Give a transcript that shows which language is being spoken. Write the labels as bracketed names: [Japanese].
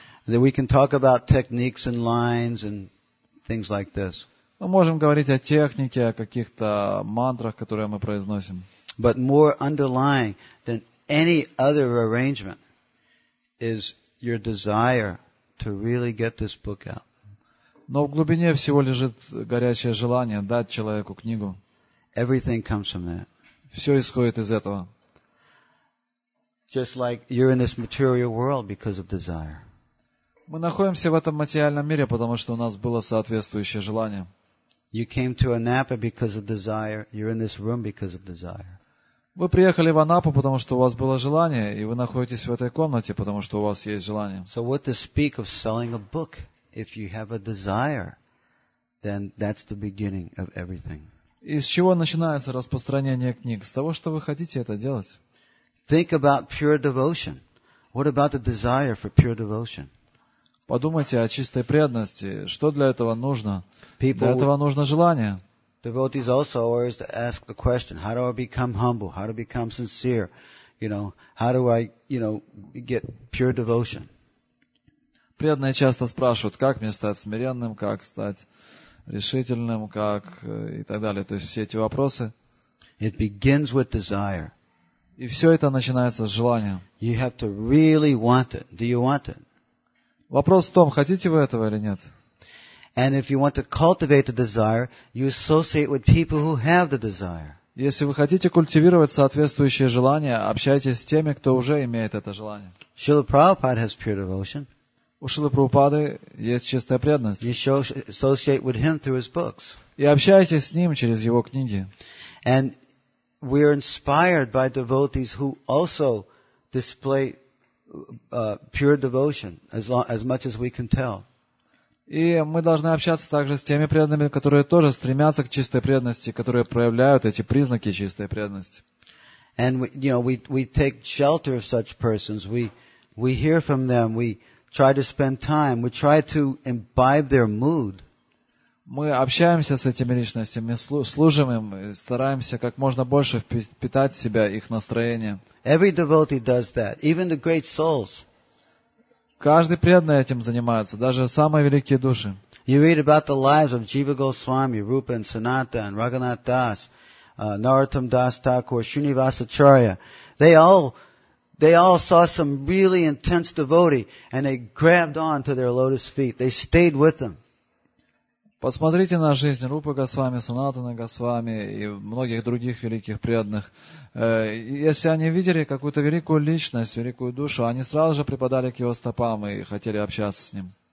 [English] That we can talk about techniques and lines and things like this. [Russian] Мы можем говорить о технике, о каких-то мантрах, которые мы произносим. [English] But more underlying than any other arrangement is your desire to really get this book out. [Russian] Но в глубине всего лежит горячее желание дать человеку книгу. [English] Everything comes from that. [Russian] Все исходит из этого. [English] Just like you're in this material world because of desire. [Russian] Мы находимся в этом материальном мире, потому что у нас было соответствующее желание. [English] You came to Anapa because of desire. You're in this room because of desire. [Russian] Вы приехали в Анапу, потому что у вас было желание, и вы находитесь в этой комнате, потому что у вас есть желание. [English] So what to speak of selling a book? If you have a desire, then that's the beginning of everything. [Russian] Из чего начинается распространение книг? С того, что вы хотите это делать. [English] Think about pure devotion. What about the desire for pure devotion? [Russian] Подумайте о чистой преданности. Что для этого нужно? Для этого нужно желание. [English] Devotees also always ask the question, how do I become humble? How do I become sincere? You know, how do I, you know, get pure devotion? [Russian] Преданные часто спрашивают, как мне стать смиренным, как стать решительным, как и так далее. То есть все эти вопросы. [English] It begins with desire. [Russian] И все это начинается с желания. [English] You have to really want it. Do you want it? [Russian] Вопрос в том, хотите вы этого или нет. [English] And if you want to cultivate the desire, you associate with people who have the desire. [Russian] Если вы хотите культивировать соответствующее желание, общайтесь с теми, кто уже имеет это желание. [English] Шрила Прабхупада has pure devotion. [Russian] У Шрилы Прабхупады есть чистая преданность. [English] You should associate with him through his books. [Russian] И общайтесь с ним через его книги. [English] And we are inspired by devotees who also display pure devotion as long, as much as we can tell. [Russian] И мы должны общаться также с теми преданными, которые тоже стремятся к чистой преданности, которые проявляют эти признаки чистой преданности. [English] And we, you know, we take shelter of such persons. We hear from them. We try to spend time. We try to imbibe their mood. [Russian] Мы общаемся с этими личностями, служим им, и стараемся как можно больше впитать в себя их настроение. [English] Every devotee does that, even the great souls. [Russian] Каждый преданный этим занимается, даже самые великие души. [English] You read about the lives of Jiva Goswami, Rupa and Sanatana, and Raghunath Das, Narottam Das Thakur, Srinivas Acharya. They all saw some really intense devotee and they grabbed on to their lotus feet. They stayed with them. [Russian] Посмотрите на жизнь Рупы Госвами, Санатана Госвами и многих других великих преданных. Если они видели какую-то великую личность, великую душу, они сразу же припадали к его стопам и хотели общаться с ним.